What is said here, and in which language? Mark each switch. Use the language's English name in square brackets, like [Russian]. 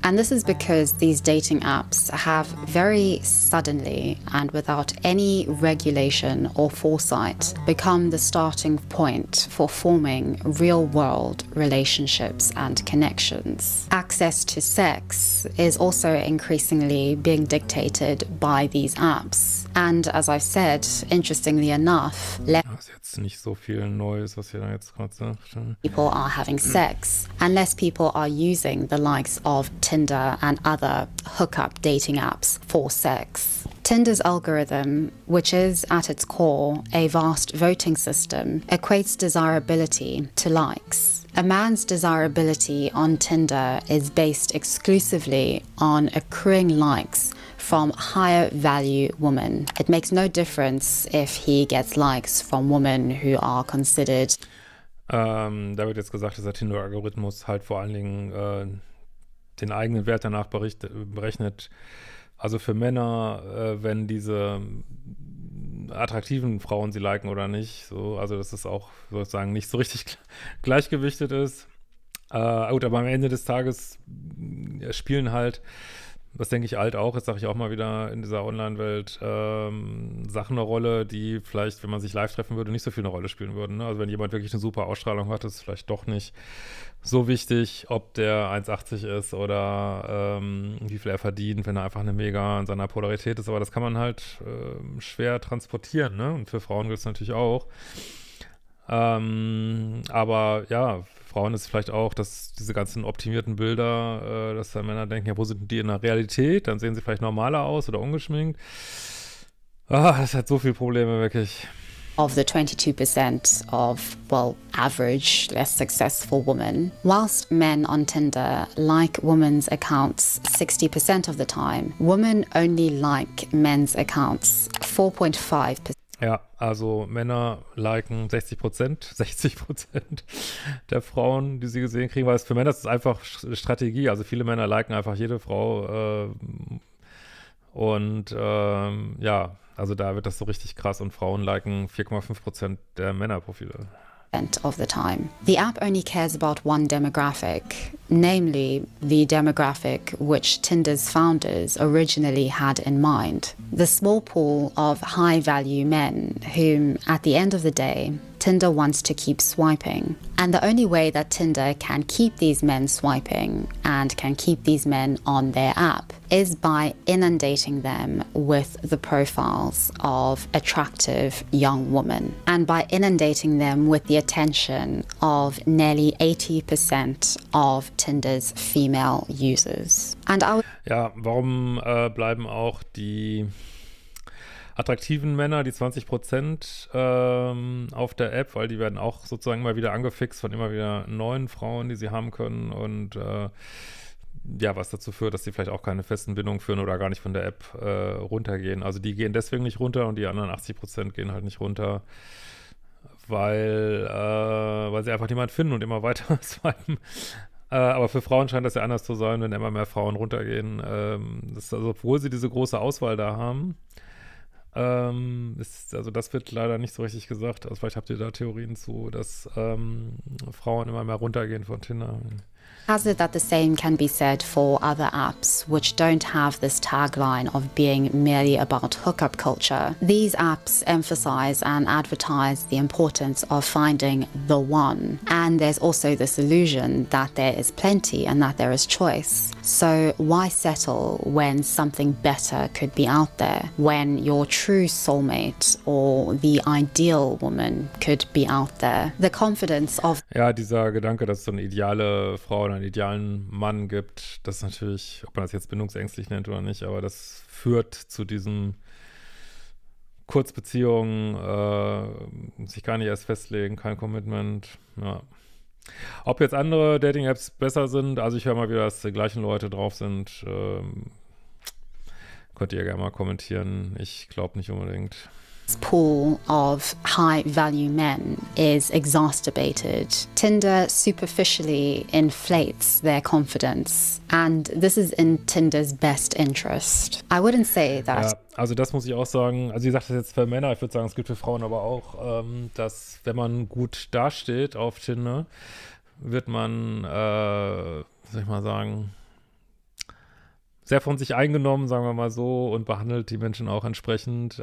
[English] And this is because these dating apps have very suddenly and without any regulation or foresight become the starting point for forming real-world relationships and connections. Access to sex is also increasingly being dictated by these apps. And as I've said, interestingly enough, [German] Das ist jetzt nicht so viel Neues, was ihr da jetzt gerade sagt. [English] people are having sex, and less people are using the likes of Tinder and other hookup dating apps for sex. Tinder's algorithm, which is at its core a vast voting system, equates desirability to likes. A man's desirability on Tinder is based exclusively on accruing likes from higher value women. It makes no difference if he gets likes from women who are considered. [German] Da wird jetzt gesagt, dass der Tinder-Algorithmus halt vor allen Dingen den eigenen Wert danach berechnet. Also für Männer, wenn diese attraktiven Frauen sie liken oder nicht. So, also dass es auch sozusagen nicht so richtig gleichgewichtet ist. Gut, aber am Ende des Tages spielen halt, das denke ich halt auch, das sage ich auch mal wieder in dieser Online-Welt, Sachen eine Rolle, die vielleicht, wenn man sich live treffen würde, nicht so viel eine Rolle spielen würden. Ne? Also wenn jemand wirklich eine super Ausstrahlung hat, ist es vielleicht doch nicht so wichtig, ob der 1,80 ist oder wie viel er verdient, wenn er einfach eine Mega in seiner Polarität ist. Aber das kann man halt schwer transportieren. Ne? Und für Frauen gilt es natürlich auch. Aber ja, Frauen ist vielleicht auch, dass diese ganzen optimierten Bilder, dass da Männer denken, ja, wo sind die in der Realität? Dann sehen sie vielleicht normaler aus oder ungeschminkt. Ah, das hat so viele Probleme, wirklich. [English] Of the 22% of, well, average, less successful women. Whilst men on Tinder like women's accounts 60% of the time, women only like men's accounts 4.5%. [German] Ja, also Männer liken 60%, 60% der Frauen, die sie gesehen kriegen, weil es für Männer ist einfach Strategie. Also viele Männer liken einfach jede Frau. Und ja, also da wird das so richtig krass und Frauen liken 4,5% der Männerprofile. [English] Of the time. The app only cares about one demographic, namely the demographic which Tinder's founders originally had in mind. The small pool of high-value men whom, at the end of the day, Tinder wants to keep swiping. And the only way that Tinder can keep these men swiping and can keep these men on their app is by inundating them with the profiles of attractive young women. And by inundating them with the attention of nearly 80% of Tinder's female users. And I [German] Ja, warum bleiben auch die attraktiven Männer, die 20% auf der App, weil die werden auch sozusagen immer wieder angefixt von immer wieder neuen Frauen, die sie haben können und ja, was dazu führt, dass sie vielleicht auch keine festen Bindungen führen oder gar nicht von der App runtergehen. Also die gehen deswegen nicht runter und die anderen 80% gehen halt nicht runter, weil sie einfach niemanden finden und immer weiter swipen. Aber für Frauen scheint das ja anders zu sein, wenn immer mehr Frauen runtergehen. Also obwohl sie diese große Auswahl da haben, also das wird leider nicht so richtig gesagt. Also vielleicht habt ihr da Theorien zu, dass Frauen immer mehr runtergehen von Tinder. [English] Hazard that the same can be said for other apps, which don't have this tagline of being merely about hookup culture. These apps emphasize and advertise the importance of finding the one. And there's also this illusion that there is plenty and that there is choice. So why settle when something better could be out there? When your true soulmate or the ideal woman could be out there? The confidence of... [German] Ja, dieser Gedanke, dass so eine ideale Frau oder einen idealen Mann gibt, das ist natürlich, ob man das jetzt bindungsängstlich nennt oder nicht, aber das führt zu diesen Kurzbeziehungen, sich gar nicht erst festlegen, kein Commitment. Ja. Ob jetzt andere Dating-Apps besser sind, also ich höre mal wieder, dass die gleichen Leute drauf sind, könnt ihr gerne mal kommentieren. Ich glaube nicht unbedingt. [English] Pool of high-value men is exacerbated. Tinder superficially inflates their confidence, and this is in Tinder's best interest. I wouldn't say that. [German] Ja, also das muss ich auch sagen. Also sie sagt das jetzt für Männer. Ich würde sagen, es gilt für Frauen aber auch, dass wenn man gut dasteht auf Tinder, wird man, soll ich mal sagen, sehr von sich eingenommen, sagen wir mal so, und behandelt die Menschen auch entsprechend.